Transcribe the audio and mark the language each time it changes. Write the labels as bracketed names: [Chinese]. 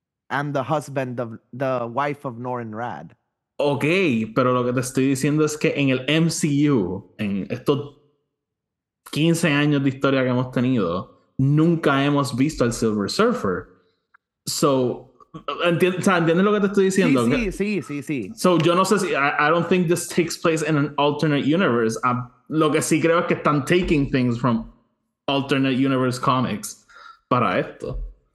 [English] And the husband of the wife of Norrin Rad. [Spanish] Ok, pero lo que te estoy diciendo es que en el MCU, en estos 15 años de historia que hemos tenido, nunca hemos visto al Silver Surfer. [English] So, [Spanish] ¿entiendes lo que te estoy diciendo? Sí, sí, sí, sí. [English] So, [Spanish] yo no sé si... [English] I don't think this takes place in an alternate universe. [Spanish] Lo que sí creo es que están [English] taking things from alternate universe comics [Spanish] para esto.